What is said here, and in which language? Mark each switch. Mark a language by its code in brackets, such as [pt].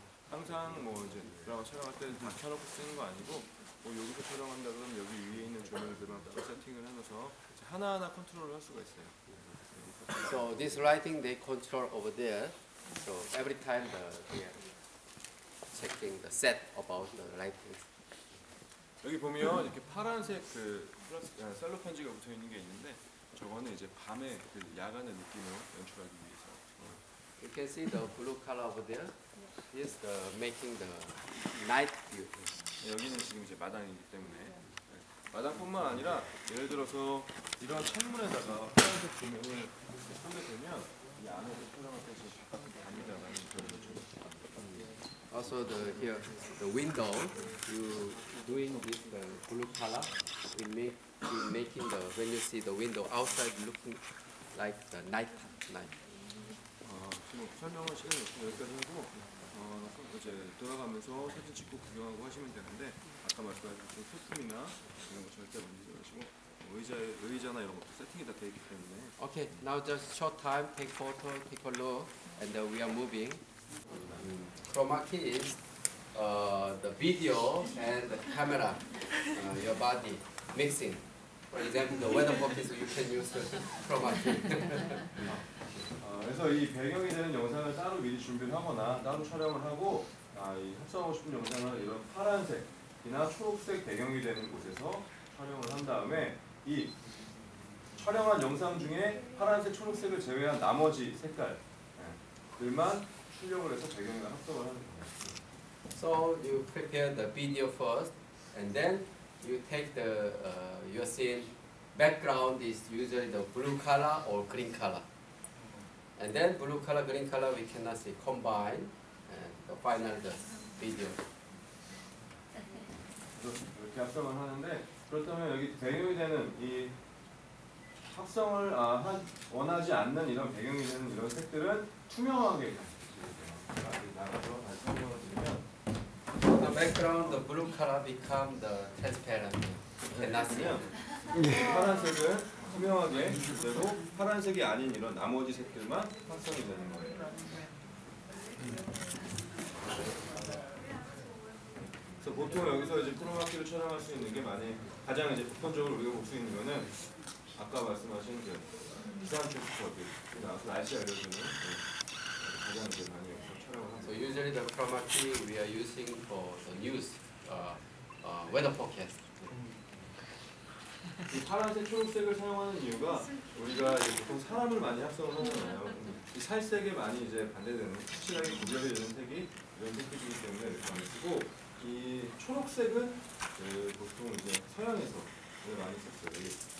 [ko] 항상 뭐 이제 드라마 촬영할 때 다 켜놓고 쓰는 거 아니고 뭐 여기서 촬영한다 그러면 여기 위에 있는 조명들만 따로 세팅을 해놓아서 하나하나 컨트롤을 할 수가 있어요. [en] So this lighting they control over there. So every time they are checking the set about the lighting. [ko] 여기 보면 이렇게 파란색 그 셀로펜지가 붙어 있는 게 있는데 저거는 이제 밤에 그 야간의 느낌으로 연출하기 위해서. [en] You can see the blue color over there. This is the making the night view. [ko] 여기는 지금 이제 마당이기 때문에. 마당뿐만 아니라 예를 들어서 이런 창문에다가 파란색 조명을 켜게 되면 이 안에 촬영할 때 밤이다라는 표현을 좀 합니다. [en] Also the here the window you doing this the blue color making the when you see the window outside looking like the night night. [ko] 지금 설명을 시간이 없어서 여기까지 하고 이제 돌아가면서 사진 찍고 구경하고 하시면 되는데 아까 말씀하신 소품이나 이런 거 절대 만지지 마시고 의자나 이런 것도 세팅이 다 되어 있기 때문에 [en] Okay, now just short time, take photo, take a look and then we are moving. Chroma key is the video and the camera, your body, mixing. For example, the weatherproof is you can use the chroma key. [ko] 그래서 이 배경이 되는 영상을 따로 미리 준비를 하거나 따로 촬영을 하고 이 합성하고 싶은 영상을 이런 파란색이나 초록색 배경이 되는 곳에서 촬영을 한 다음에 이 촬영한 영상 중에 파란색, 초록색을 제외한 나머지 색깔들만 출력을 해서 배경이나 합성을 하는 거예요. [en] So you prepare the video first and then you take the your scene. Background is usually the blue color or green color. And then blue color, green color, we cannot see combine and the final the video. [ko] 이렇게 합성을 하는데 그렇다면 여기 배경이 되는 이 합성을 원하지 않는 이런 배경이 되는 이런 색들은 투명하게 나가서 다시 설명을 드리면 [en] the background, the blue color become the transparent. Cannot see. [ko] 파란색은 투명하게 그대로 파란색이 아닌 이런 나머지 색들만 합성이 되는 거예요. 그래서 보통 여기서 이제 크로마키를 촬영할 수 있는 게 많이 가장 이제 보편적으로 우리가 볼 수 있는 거는 아까 말씀하신 그 기상 캡처들 나와서 날씨 알려주는 가장 이제 많이 촬영을 합니다. [en] So usually the chroma key we are using for the news, weather forecast. [ko] 이 파란색, 초록색을 사용하는 이유가 우리가 보통 사람을 많이 합성을 하잖아요. 이 살색에 많이 이제 반대되는, 확실하게 구별이 되는 색이 이런 색들이기 때문에 이렇게 많이 쓰고 이 초록색은 보통 이제 서양에서 많이 썼어요.